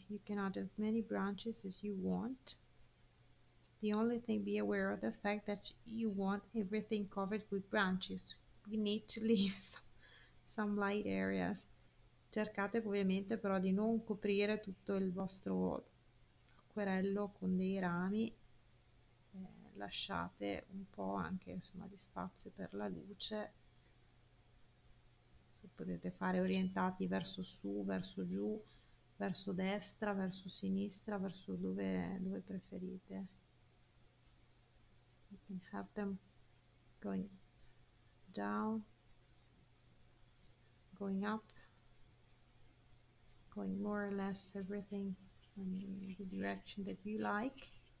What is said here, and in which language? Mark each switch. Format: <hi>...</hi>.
<en>You can add as many branches as you want. The only thing, be aware of the fact that you want everything covered with branches. We need to leave some light areas.</en> <it>Cercate ovviamente però di non coprire tutto il vostro acquerello con dei rami. Lasciate un po' anche, insomma, di spazio per la luce. Potete fare orientati verso su, verso giù, verso destra, verso sinistra, verso dove preferite.</it> <en>You can have them going down, going up, going more or less everything in the direction that you like.</en>